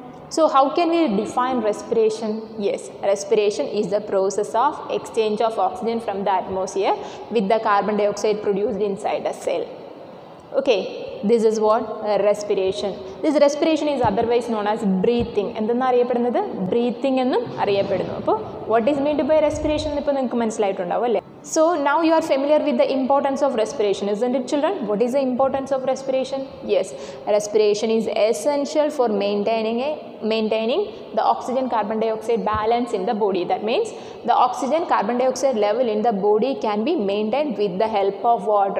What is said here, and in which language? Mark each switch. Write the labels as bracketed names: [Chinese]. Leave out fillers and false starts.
[English] So how can we define respiration? Yes, respiration is the process of exchange of oxygen from the atmosphere with the carbon dioxide produced inside a cell. Okay, this is what respiration. This respiration is otherwise known as breathing. [Malayalam] എന്താണ് അറിയപ്പെടുന്നത്? Breathing എന്നും അറിയപ്പെടുന്നു. അപ്പോൾ [English] what is meant by respiration [Malayalam] എന്ന് ഇപ്പോൾ നിങ്ങൾക്ക് മനസ്സിലായിട്ടുണ്ടാവും അല്ലേ? [English] So now you are familiar with the importance of respiration, isn't it, children? What is the importance of respiration? Yes, respiration is essential for maintaining the oxygen carbon dioxide balance in the body. That means the oxygen carbon dioxide level in the body can be maintained with the help of what?